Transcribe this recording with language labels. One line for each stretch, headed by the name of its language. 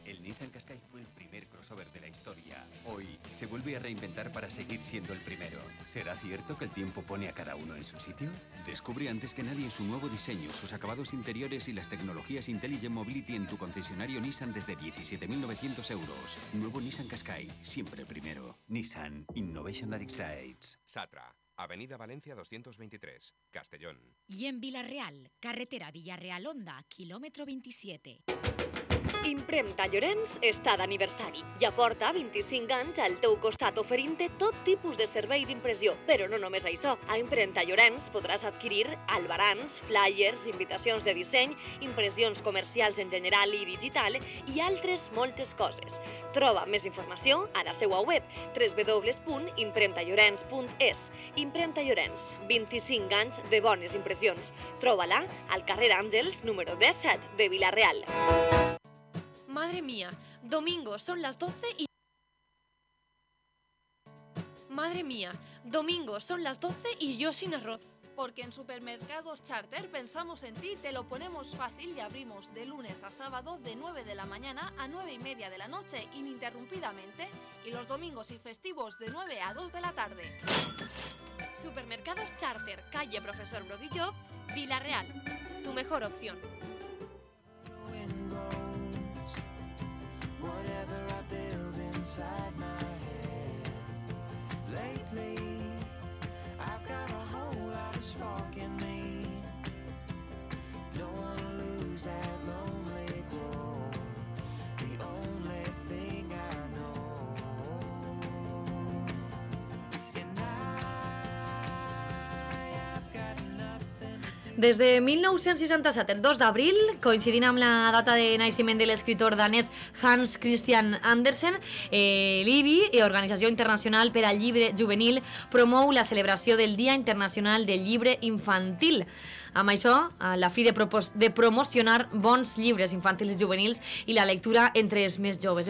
Spanish: El Nissan Qashqai fue el primer crossover de la historia. Hoy se vuelve a reinventar para seguir siendo el primero. ¿Será cierto que el tiempo pone a cada uno en su sitio? Descubre antes que nadie su nuevo diseño, sus acabados interiores y las tecnologías Intelligent Mobility en tu concesionario Nissan desde 17.900 euros. Nuevo Nissan Qashqai, siempre el primero.
English: Nissan, innovation that excites.
Spanish: Satra, Avenida Valencia 223, Castellón. Y en Villarreal, carretera Villarreal Honda, kilómetro 27.
Catalan: Impremta Llorenç està d'aniversari i aporta 25 anys al teu costat oferint-te tot tipus de servei d'impressió. Però no només això. A Impremta Llorenç podràs adquirir albarans, flyers, invitacions de disseny, impressions comercials en general i digital i altres moltes coses. Troba més informació a la seva web www.impremtallorenç.es. Impremta Llorenç, 25 anys de bones impressions. Troba-la al carrer Àngels número 17 de Villarreal.
Spanish: Madre mía, domingo, son las 12 y... Madre mía, domingo, son las 12 y yo sin arroz. Porque en Supermercados Charter pensamos en ti, te lo ponemos fácil y abrimos de lunes a sábado de 9 de la mañana a 9 y media de la noche ininterrumpidamente y los domingos y festivos de 9 a 2 de la tarde. Supermercados Charter, calle Profesor Broguillo, Villarreal, tu mejor opción.
English: Whatever I build inside my head. Lately, I've got a whole lot of spark in me. Don't wanna lose that lonely glow. The only thing I know. And I've got nothing to do.
Catalan: Desde 1967, el 2 d'abril, coincidint amb la data de naixement de l'escriptor danès Hans Christian Andersen, l'IBI, Organització Internacional per al Llibre Juvenil, promou la celebració del Dia Internacional del Llibre Infantil. Amb això, a la fi de promocionar bons llibres infantils i juvenils i la lectura entre els més joves.